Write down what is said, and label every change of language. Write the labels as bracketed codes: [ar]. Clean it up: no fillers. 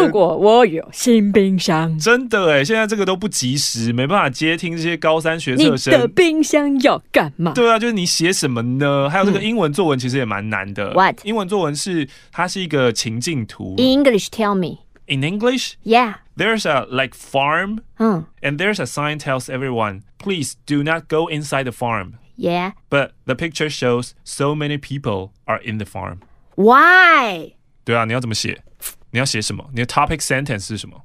[zh] 如果我有新冰箱，真的哎，现在这个都不及时，没办法接听这些高三学测生。你的冰箱要干嘛？对啊，就是你写什么呢？还有这个英文作文其实也蛮难的。 [en] What？ [zh] 英文作文是它是一个情境图。 [en] English, tell me. In English? Yeah. There's a like farm, and there's a sign tells everyone, please do not go inside the farm. Yeah. But the picture shows so many people are in the farm. Why? [zh] 对啊，你要怎么写？你要写什么？你的 topic sentence 是什么？